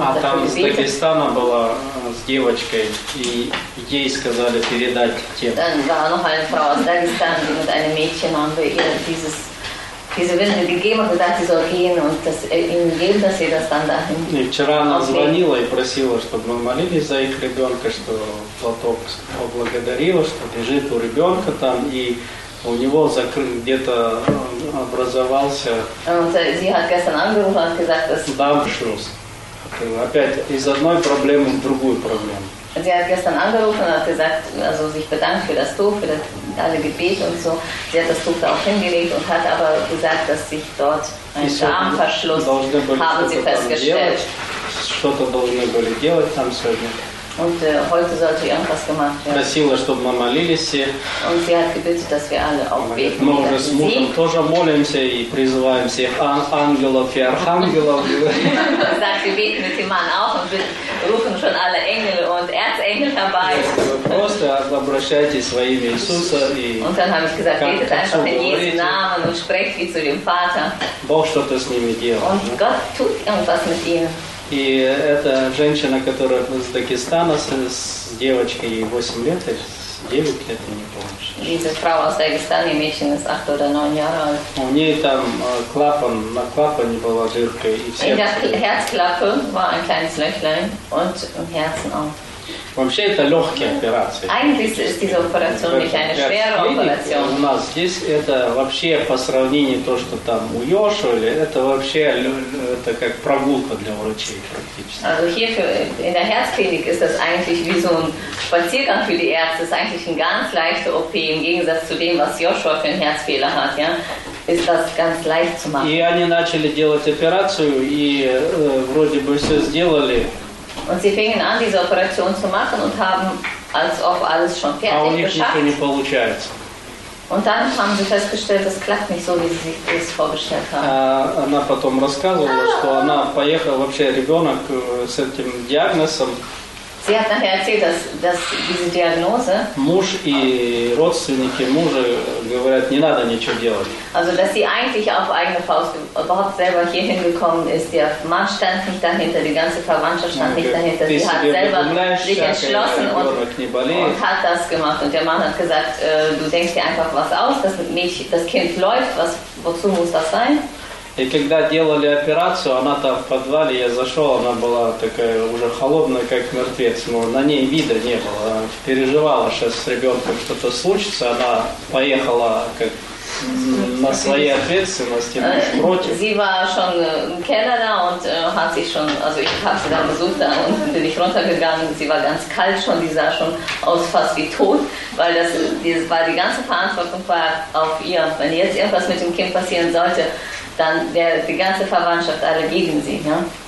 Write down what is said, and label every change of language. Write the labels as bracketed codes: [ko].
[ru] А там из Дагестана была с девочкой, и ей сказали передать тем. [de] Dann war noch eine Frau aus Dagestan, die mit einem Mädchen haben wir ihr diese Windel gegeben und gesagt, sie soll gehen und das ihnen geben, dass sie das dann dahin. [ru] И вчера она звонила и просила, чтобы мы молились за их ребенка, что платок поблагодарила, что лежит у ребенка там и у него где-то образовался. [de] Sie hat gestern angerufen und gesagt, dass. Дамшрус. [ru] Опять из одной проблемы в другую проблему. [de] Sie hat gestern angerufen und hat gesagt, also sich bedankt für das Tuch, für das alle Gebete und so. Sie hat das Tuch da auch hingelegt und hat aber gesagt, dass sich dort ein Darmverschluss, haben sie festgestellt. [ru] что-то должны были делать там сегодня. [de] Und heute sollte irgendwas gemacht werden. [ru] Просила, чтобы мы молились все. [de] Und sie hat gebetet, dass wir alle auch beten. [ru] Мы уже с мужем тоже молимся и призываем всех ангелов и архангелов. [de] Sagt, wir beten mit dem Mann auch und wir rufen schon alle Engel und Erzengel dabei. [ru] Просто обращайтесь во имя Иисуса и. [de] Und dann habe ich gesagt, betet einfach in Jesu Namen und sprecht wie zu dem Vater. [ru] Бог что-то с ними делал. [de] Und Gott tut irgendwas mit ihnen. [ru] И эта женщина, которая из Дагестана, с девочкой ей 8 лет, 9 лет, я не помню. [de] Diese Frau aus Dagestan, die Mädchen ist 8 oder 9 Jahre alt. [ru] У нее там клапан, на клапане была дырка. И [de] в Herzklappe war ein kleines Löchlein und im Herzen auch. [ru] Вообще это легкая операция. [de] Eigentlich ist diese Operation nicht eine schwere Operation. [ru] У нас здесь это вообще по сравнению то, что там у Йошуа, это вообще это как прогулка для врачей практически. [de] Also hier für, in der Herzklinik ist das eigentlich wie so ein Spaziergang für die Ärzte. Das ist eigentlich ein ganz leichter OP, im Gegensatz zu dem, was Joshua für einen Herzfehler hat, ja, ist das ganz leicht zu machen. [ru] И они начали делать операцию и вроде бы все сделали. [de] Und sie fingen an, diese Operation zu machen und haben als ob alles schon fertig geschafft. [ru] А у них [de] geschafft. [ru] Ничего не получается. [de] Und dann haben sie festgestellt, das klappt nicht so, wie sie sich das vorgestellt haben. [ru] Она потом рассказывала, что она поехала вообще ребенок с этим диагнозом. [de] Sie hat nachher erzählt, dass diese Diagnose. [ru] Муж и родственники мужа говорят, не надо ничего делать. [de] Also dass sie eigentlich auf eigene Faust überhaupt selber hier hingekommen ist. Ihr Mann stand nicht dahinter, die ganze Verwandtschaft stand nicht dahinter. Sie hat selber sich entschlossen und hat das gemacht. Und der Mann hat gesagt, du denkst dir einfach was aus, das Kind läuft, wozu muss das sein? [ru] И когда делали операцию, она там в подвале, я зашел, она была такая уже холодная, как мертвец, но на ней вида не было. Она переживала, что с ребенком что-то случится, она поехала как на своей ответственности, муж против. [de] Sie war schon im Keller da und hat sich schon, also ich habe sie da besucht da und bin ich runtergegangen. Sie war ganz kalt schon, die sah schon aus fast wie tot, weil die ganze Verantwortung war auf ihr. Wenn jetzt irgendwas mit dem Kind passieren sollte, dann wäre die ganze Verwandtschaft alle gegen sie, ja?